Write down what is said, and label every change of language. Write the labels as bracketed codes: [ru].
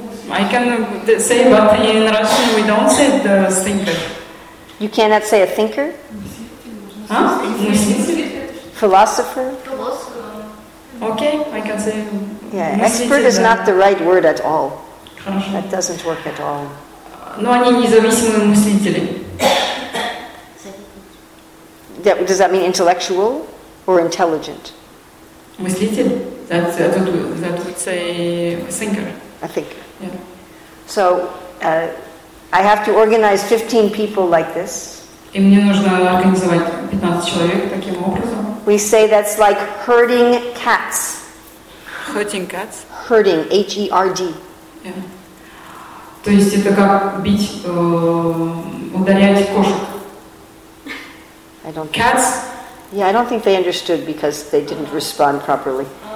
[en] I can say, but in Russian we don't say the thinker. You cannot say a thinker? Huh? Philosopher? Okay, I can say. Yeah, expert is not the right word at all. That doesn't work at all. [ru] Но они независимые мыслители. [en] Does that mean intellectual or intelligent? Мыслитель. That would say thinker. A thinker. Yeah. So, I have to organize 15 people like this. [ru] И мне нужно организовать 15 человек таким образом. [en] We say that's like herding cats. Herding cats? Herding, H-E-R-D. Yeah. [ru] То есть это как бить, ударять кошек. [en] I don't think cats? Yeah, I don't think they understood because they didn't respond properly.